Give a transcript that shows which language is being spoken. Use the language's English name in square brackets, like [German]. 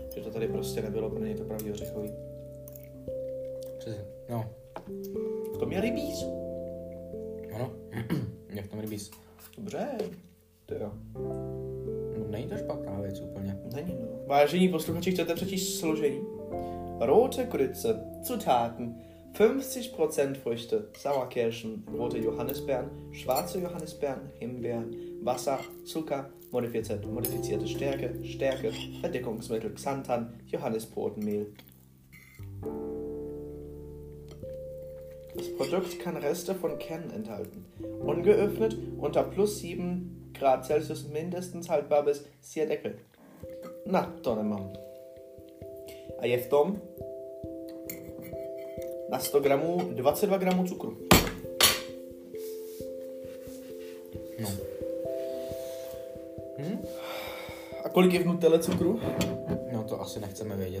[Czech] Že to tady prostě nebylo pro něj to pravý ořechový. Přesně, no. V tom je rybíz. Ano, je v tom rybíz. Dobře, to jo. No, není to špatná věc úplně. Není, no. Vážení posluchači, chcete přečíst složení? [German] Rote Grütze, Zutaten, 50% Früchte, Sauerkirschen, Rote Johannisbeeren, Schwarze Johannisbeeren, Himbeeren, Wasser, Zucker, modifizierte Stärke, Verdickungsmittel, Xanthan, Johannisbrotmehl. Das Produkt kann Reste von Kernen enthalten. Ungeöffnet, unter +7 °C mindestens haltbar bis sehr Deckel. Na, Donnermann. [Czech] A je v tom na 100 gramů 22 gramů cukru. No. A kolik je v Nutelle cukru? No to asi nechceme vědět.